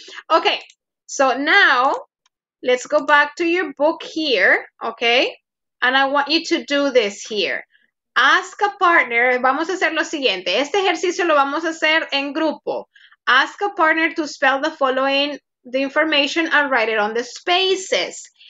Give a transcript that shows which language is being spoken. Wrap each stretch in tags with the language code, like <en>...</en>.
<en>Okay, so now, let's go back to your book here, okay, and I want you to do this here. Ask a partner,</en> <es>vamos a hacer lo siguiente, este ejercicio lo vamos a hacer en grupo.</es> <en>Ask a partner to spell the following, the information and write it on the spaces.</en>